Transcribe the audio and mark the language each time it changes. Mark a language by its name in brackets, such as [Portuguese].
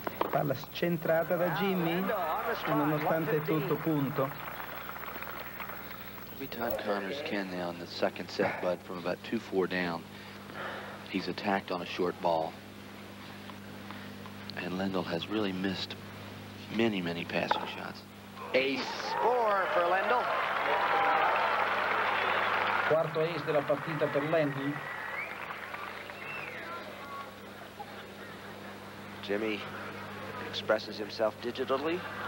[Italian] Palla centrata da Jimmy, e nonostante tutto punto. [English] We time Connors can now in the second set, but from about 2-4 down. He's attacked on a short ball. And Lendl has really missed many, many passing shots. Ace 4 for Lendl. [Italian] Quarto ace della partita per Lendl. [English] Jimmy expresses himself digitally.